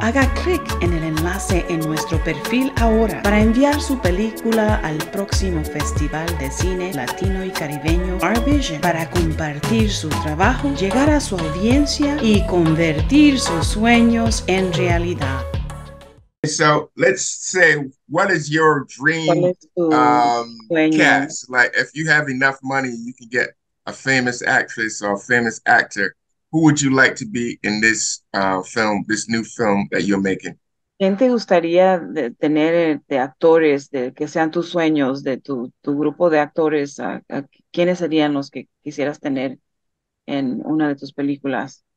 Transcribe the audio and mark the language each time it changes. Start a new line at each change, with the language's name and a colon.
Spanish: Haga clic en el enlace en nuestro perfil ahora para enviar su película al próximo Festival de Cine Latino y Caribeño Our Vision para compartir su trabajo, llegar a su audiencia y convertir sus sueños en realidad.
English: So let's say, what is your dream cast? Like, if you have enough money, you can get a famous actress or a famous actor. Who would you like to be in this film, this new film that you're making?
Spanish: ¿Quién te gustaría de tener de actores de que sean tus sueños de tu grupo de actores? ¿Quiénes serían los que quisieras tener en una de tus películas?